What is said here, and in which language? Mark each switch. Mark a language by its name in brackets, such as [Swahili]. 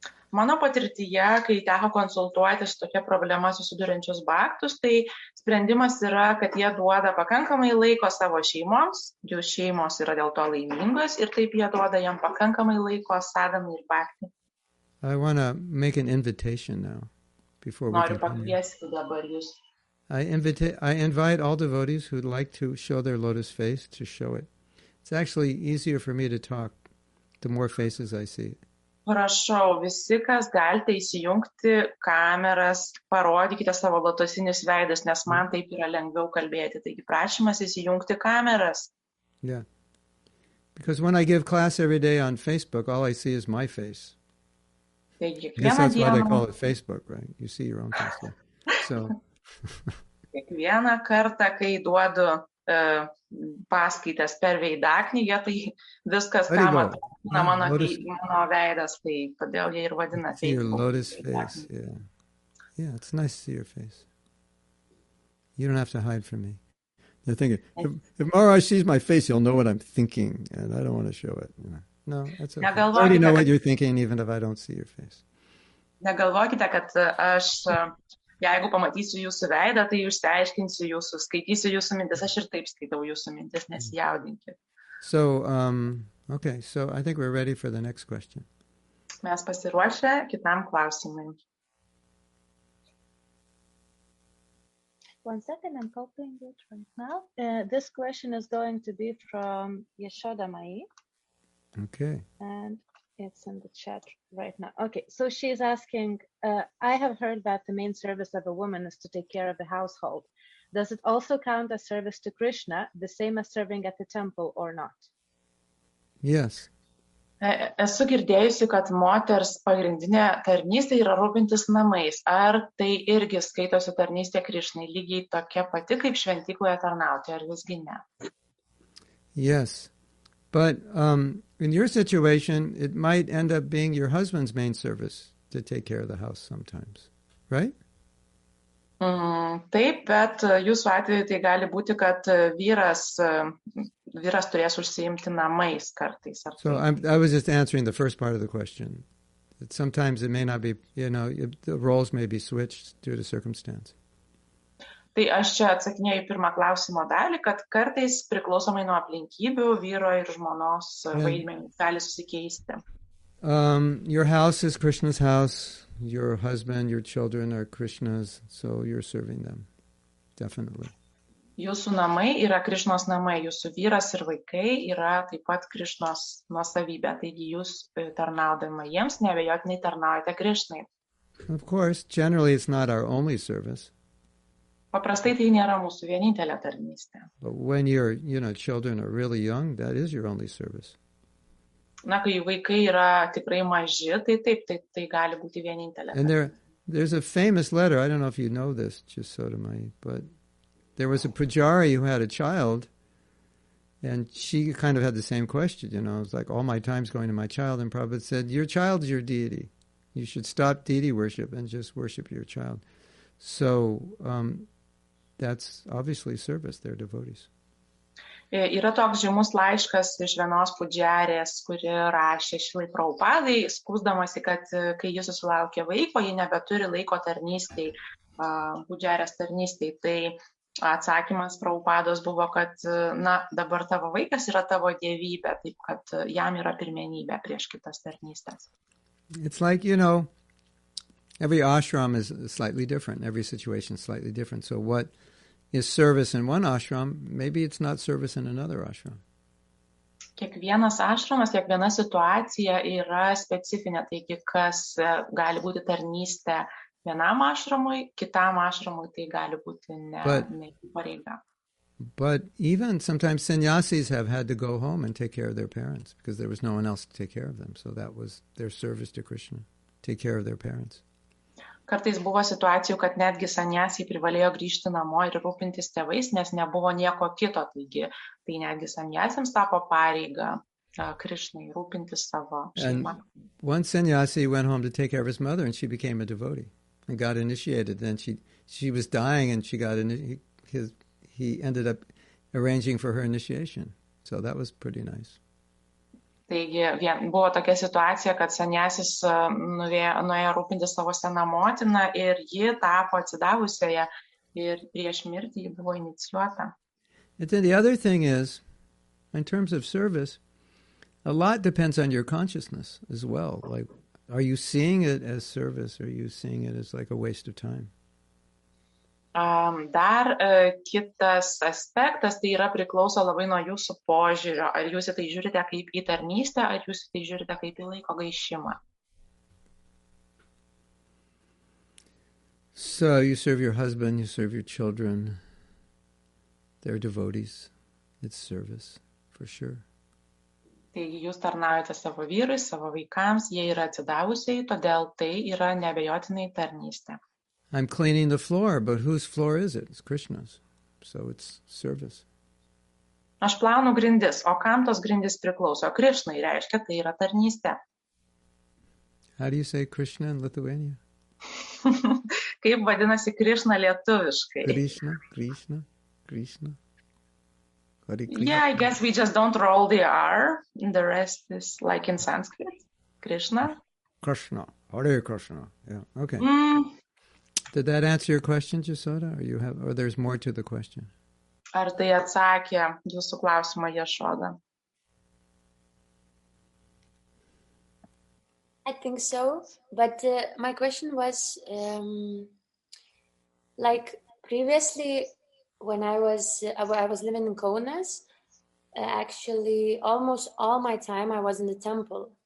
[Lithuanian] Mano patirtyje, kai teko konsultuoti su tokia problema susiduriančius baktus, tai sprendimas yra, kad jie duoda pakankamai laiko savo šeimoms, jų šeimos yra dėl to laimingos, ir taip jie duoda jam pakankamai laiko sadhanai ir bakti. [English] I want to make an invitation now, before we [Lithuanian] Noriu pakviesti dabar jūs. [English] I invite all devotees who'd like to show their lotus face to show it. It's actually easier for me to talk the more faces I see. [Lithuanian] Prašau, visi, kas galite įsijungti kameras, parodykite savo lotosinius veidus, nes man taip yra lengviau kalbėti. Taigi prašymas įsijungti kameras. [English] Yeah. Because when I give class every day on Facebook, all I see is my face. That's why they call it Facebook, right? You see your own face. Yeah. So. [Lithuanian] Kiekvieną kartą, kai duodu paskaitas per veidaknygę, tai viskas, ką matau, mano veidas, tai kodėl jie ir vadina [English] Facebook. Your lotus face, yeah. Yeah, it's nice to see your face. You don't have to hide from me. You're thinking, if Maharaj sees my face, he'll know what I'm thinking, and I don't want to show it. No, that's okay. [Lithuanian] Negalvokite, [English] I already know what you're thinking, even if I don't see your face. [Lithuanian] Negalvokite, kad aš Jeigu pamatysiu jūsų veidą, tai jūs išsiaiškinsiu jūsų, skaitysiu jūsų mintis, aš ir taip skaitau jūsų mintis, nesijaudinkit. [English] So, okay, so I think we're ready for the next question. [Lithuanian] Mes pasiruošę kitam klausimui. [English] One second, I'm copying it right now. This question is going to be from Yashoda Mai. Okay. And it's in the chat right now. Okay, so she's asking, I have heard that the main service of a woman is to take care of the household. Does it also count as service to Krishna, the same as serving at the temple or not? Yes. [Lithuanian] Esu girdėjusi, kad moters pagrindinė tarnystė yra rūpintis namais. Ar tai irgi skaitosi tarnystė Krišnai lygiai tokia pati, kaip šventykloje tarnauti, ar visgi ne? [English] Yes, but in your situation, it might end up being your husband's main service to take care of the house sometimes, right? [Lithuanian] Taip, bet jūsų atveju tai gali būti, kad vyras turės užsiimti namais kartais. Ar [English] so I was just answering the first part of the question. That sometimes it may not be, you know, the roles may be switched due to circumstance. [Lithuanian] Tai aš čia atsakinėjau pirmą klausimo dalį, kad kartais priklausomai nuo aplinkybių vyro ir žmonos vaidmenį gali susikeisti. [English] Your house is Krishna's house. Your husband, your children are Krishna's, so you're serving them, definitely. [Lithuanian] Jūsų namai yra Krishnos namai, jūsų vyras ir vaikai yra taip pat Krishnos nuosavybė, taigi jūs tarnaudama jiems, neabejotinai tarnaujate Krishnai. [English] Of course, generally it's not our only service. [Lithuanian] Paprastai tai nėra mūsų vienintelė tarnystė. [English] But when your, you know, children are really young, that is your only service. [Lithuanian] Na, kai vaikai yra tikrai maži, tai taip, tai gali būti vienintelė. [English] And there's a famous letter, I don't know if you know this, just so to my, but there was a pujari who had a child, and she kind of had the same question, you know, it's like, all my time's going to my child, and Prabhupada said, your child's your deity. You should stop deity worship and just worship your child. So that's obviously service, they're devotees. [Lithuanian] Yra toks žymus laiškas iš vienos pudžiarės, kuri rašė šilai Prabhupadai, skūsdamasi, kad kai jis susilaukė vaiko, ji nebeturi laiko tarnystei, pudžiarės tarnystei. Tai atsakymas Prabhupados buvo, kad na, dabar tavo vaikas yra tavo dievybė, taip kad jam yra pirmenybė prieš kitas tarnystės. [English] It's like, you know, every ashram is slightly different, every situation is slightly different, so what is service in one ashram, maybe it's not service in another ashram. [Lithuanian] Kiekvienas ašramas, kiekviena situacija yra specifinė, taigi kas gali būti tarnystė vienam ašramui, kitam ašramui tai gali būti ne pareiga. [English] But even sometimes sannyasis have had to go home and take care of their parents because there was no one else to take care of them. So that was their service to Krishna, take care of their parents. [Lithuanian] Kartais buvo situacijų, kad netgi sanjasiai privalėjo grįžti namo ir rūpintis tėvais, nes nebuvo nieko kito, taigi tai netgi sanjasiams tapo pareigą Krišnai rūpintis savo šeimą. [English] And one sanjasi went home to take care of his mother and she became a devotee and got initiated. Then she was dying and she got he ended up arranging for her initiation. So that was pretty nice. [Lithuanian] Taigi buvo tokia situacija, kad sanjasis nuėjo rūpinti savo seną motiną ir ji tapo atsidavusioje ir prieš mirtį ji buvo inicijuota. [English] And then the other thing is, in terms of service, a lot depends on your consciousness as well. Like, are you seeing it as service or are you seeing it as like a waste of time? [Lithuanian] Dar kitas aspektas, tai yra priklauso labai nuo jūsų požiūrio. Ar jūs tai žiūrite kaip į tarnystę, ar jūs tai žiūrite kaip į laiko gaišimą? [English] So you serve your husband, you serve your children. They're devotees. It's service, for sure. [Lithuanian] Taigi jūs tarnaujate savo vyrui, savo vaikams, jie yra atsidavusiai, todėl tai yra neabejotinai tarnystė. [English] I'm cleaning the floor, but whose floor is it? It's Krishna's. So it's service. [Lithuanian] Aš plaunu grindis, o kam tos grindis priklauso? Krishnai, reiškia, tai yra tarnystė. [English] How do you say Krishna in Lithuania? [Lithuanian] Kaip vadinasi Krishna lietuviškai? [English] Krishna, Krishna, Krishna. Yeah, I guess we just don't roll the R. The rest is like in Sanskrit. Krishna. Krishna. Hare Krishna. Yeah, okay. Did that answer your question, Jasoda? Or you have, or there's more to the question? [Lithuanian] Ar tai atsakė jūsų klausimą, Jasoda? [English] I think so, but my question was, like previously, when I was living in Kaunas, actually almost all my time I was in the temple.